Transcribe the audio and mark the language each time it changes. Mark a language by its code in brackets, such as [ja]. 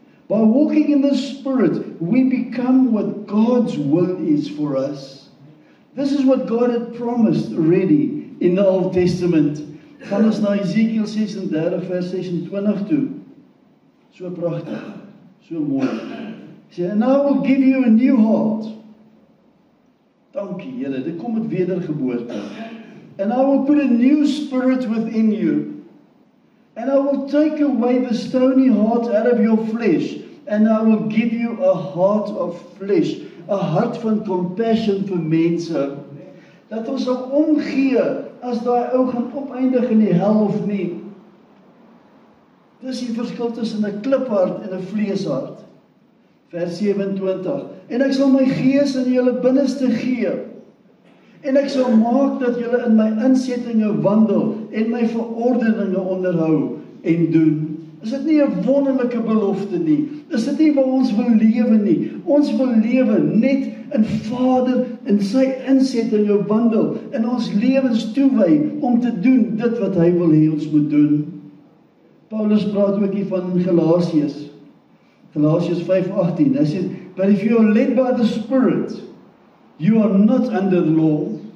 [en] By walking in the Spirit, we become what God's will is for us. This is what God had promised already. In the Old Testament, [af] gaan ons na Ezekiel 36 vers 26 toe. So prachtig, so mooi. Sê, [en] and I will give you a new heart. [af] Dankie Here, dit kom met wedergeboorte. [en] And I will put a new spirit within you. And I will take away the stony heart out of your flesh. And I will give you a heart of flesh. [af] A heart van compassion vir mense. Dat ons sal omgee as daai ou gaan opeindig in die hel of nie. Dis die verskil tussen 'n kliphart en 'n vleeshart. Vers 27. En ek sal my gees in julle binneste gee. En ek sal maak dat julle in my insettinge wandel en my verordeninge onderhou en doen. Is dit nie 'n wonderlike belofte nie? Is dit nie waar ons wil lewe nie? Ons wil lewe net in Vader in sy insettinge wandel en ons lewens toewy om te doen dit wat hy wil hê ons moet doen. Paulus praat ook hier van Galasiërs. [en] Galasiërs 5:18. [af] Hy sê, [en] "But if you are led by the Spirit, you are not under the law."